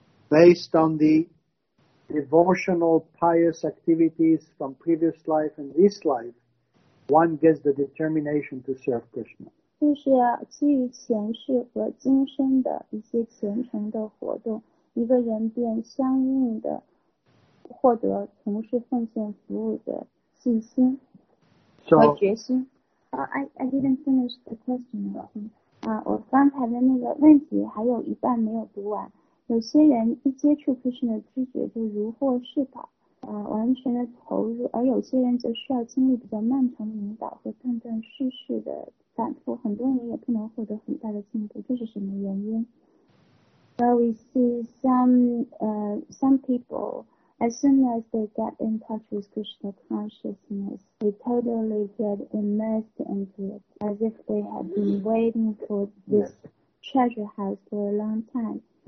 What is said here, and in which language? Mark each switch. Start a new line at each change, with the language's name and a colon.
English: Based on the devotional pious activities from previous life and this life, one gets the determination to serve Krishna.
Chinese: 就是基于前世和今生的一些虔诚的活动，一个人便相应的获得从事奉献服务的信心和决心。
English: I didn't finish the question.
Chinese: 我刚才的那个问题还有一半没有读完。有些人一接触 Krishna 的知觉就如获至宝，完全的投入，而有些人则需要经历比较漫长的引导和断断续续的反复，很多人也不能获得很大的进步，这是什么原因？
English: Well, we see some people, as soon as they get in touch with Krishna consciousness, they totally get immersed into it, as if they had been waiting for this treasure house for a long time.